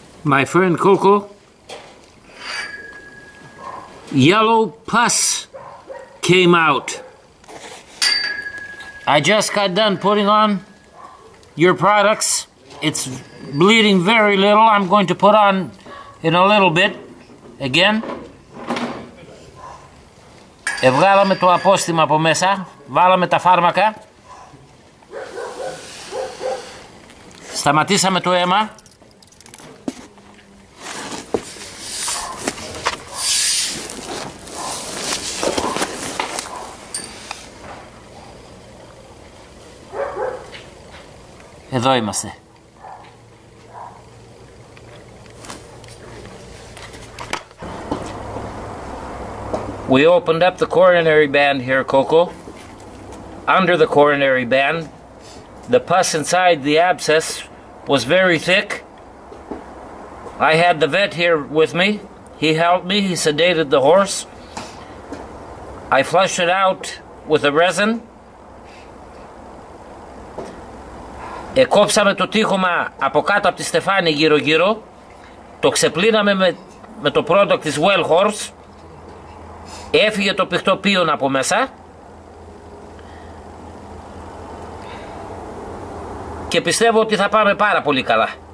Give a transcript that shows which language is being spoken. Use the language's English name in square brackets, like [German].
[English] My friend Coco, yellow pus came out. I just got done putting on your products. It's bleeding very little. I'm going to put on in a little bit again. [Greek] Βγάλαμε το απόστημα από μέσα, βάλαμε τα φάρμακα, σταματήσαμε το αίμα. Εδώ είμαστε. [English] We opened up the coronary band here, Coco. Under the coronary band, the pus inside the abscess was very thick. I had the vet here with me. He helped me, he sedated the horse. I flushed it out with a resin. [Greek] Εκόψαμε το τείχωμα από κάτω από τη στεφάνη γύρω-γύρω. Το ξεπλύναμε με το product της Well Horse. Έφυγε το πηχτοπίον από μέσα και πιστεύω ότι θα πάμε πάρα πολύ καλά.